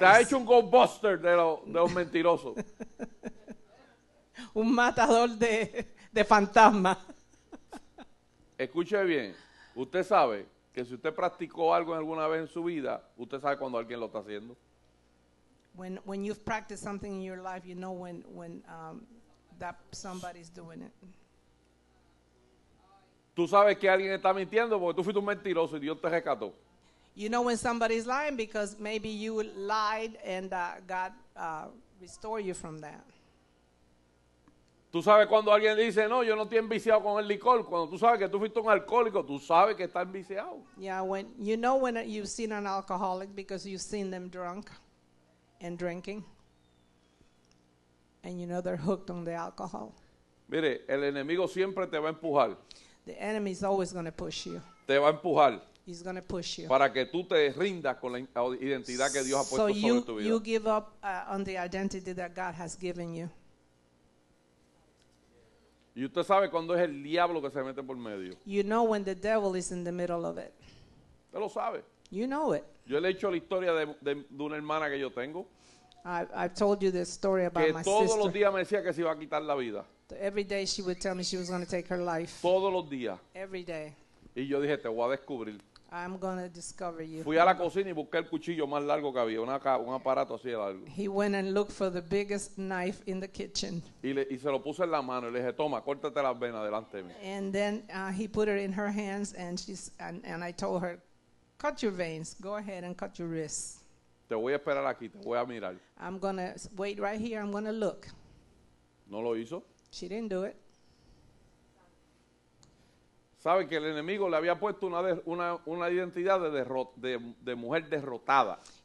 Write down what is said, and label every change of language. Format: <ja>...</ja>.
<es>te ha hecho un Ghostbuster de los mentirosos. Un matador de fantasma. Escuche bien, usted sabe que si usted practicó algo alguna vez en su vida, usted sabe cuando alguien lo está haciendo.</es> <en>When you've practiced something in your life, you know when that somebody's doing it.</en> <es>Tú sabes que alguien está mintiendo porque tú fuiste un mentiroso y Dios te rescató.</es> <en>You know when somebody's lying because maybe you lied and God restored you from that.</en> <es>Tú sabes cuando alguien dice, no, yo no estoy enviciado con el licor. Cuando tú sabes que tú fuiste un alcohólico, tú sabes que estás enviciado.</es> <en>Yeah, when you know when you've seen an alcoholic because you've seen them drunk and drinking. And you know they're hooked on the alcohol.</en> <es>Mire, el enemigo siempre te va a empujar.</es> <en>The enemy is always going to push you.</en> <es>Te va a empujar.</es> <en>He's going to push you.</en> <es>Para que tú te rindas con la identidad que Dios ha puesto sobre tu vida.</es> <en>So you give up on the identity that God has given you.</en> <es>Y usted sabe cuándo es el diablo que se mete por medio.</es> <en>You know when the devil is in the middle of it.</en> <es>Usted lo sabe.</es> <en>You know it.</en> <es>Yo le he hecho la historia de una hermana que yo tengo.</es> <en>I've told you this story about my sister.</en> <es>Que todos los días me decía que se iba a quitar la vida.</es> <en>Every day she would tell me she was going to take her life.</en> <es>Todos los días.</es> <en>Every day.</en> <es>Y yo dije, te voy a descubrir.</es> <en>I'm going to discover you.</en> <es>Fui a la cocina y busqué el cuchillo más largo que había, un aparato así de largo.</es> <en>He went and looked for the biggest knife in the kitchen.</en> <es>Y se lo puse en la mano y le dije, toma, córtate las venas delante de mí.</es> <en>And then he put it in her hands and I told her, cut your veins, go ahead and cut your wrists.</en> <es>Te voy a esperar aquí, te voy a mirar.</es> <en>I'm going to wait right here, I'm going to look.</en> <es>No lo hizo.</es> <en>She didn't do it.</en> <es>Sabe que el enemigo le había puesto una identidad de mujer derrotada.</es>